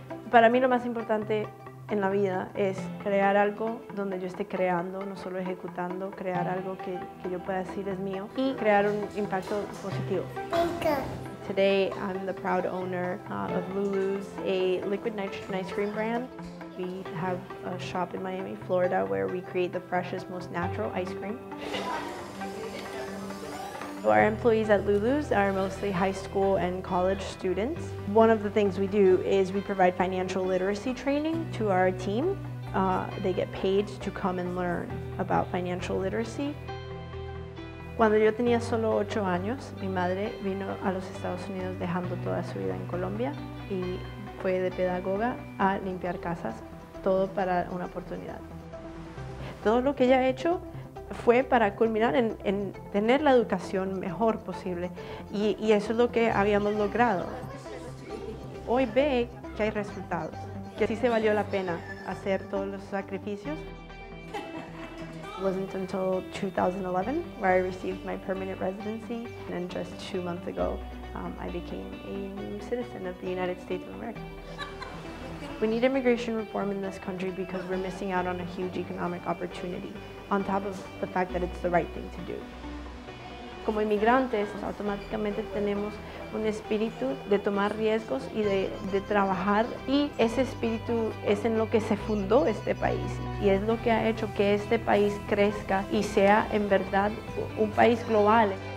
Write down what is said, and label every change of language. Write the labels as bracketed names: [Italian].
[Spanish] Para mí lo más importante en la vida es crear algo donde yo esté creando, no solo ejecutando, crear algo que yo pueda decir es mío y crear un impacto positivo. [English] Today, I'm the proud owner of Lulu's, a liquid nitrogen ice cream brand. We have a shop in Miami, Florida, where we create the freshest, most natural ice cream. Our employees at Lulu's are mostly high school and college students. One of the things we do is we provide financial literacy training to our team. They get paid to come and learn about financial literacy. [Spanish] Cuando yo tenía solo 8 años, mi madre vino a los Estados Unidos dejando toda su vida en Colombia y fue de pedagoga a limpiar casas, todo para una oportunidad. Todo lo que ella ha hecho fue para culminar en tener la educación mejor posible y eso es lo que habíamos logrado. Hoy ve que hay resultados, que sí se valió la pena hacer todos los sacrificios. [English] It wasn't until 2011 where I received my permanent residency, and then just 2 months ago, I became a new citizen of the United States of America. We need immigration reform in this country because we're missing out on a huge economic opportunity, on top of the fact that it's the right thing to do. [Spanish] Como inmigrantes, automáticamente tenemos un espíritu de tomar riesgos y de trabajar. Y ese espíritu es en lo que se fundó este país. Y es lo que ha hecho que este país crezca y sea en verdad un país global.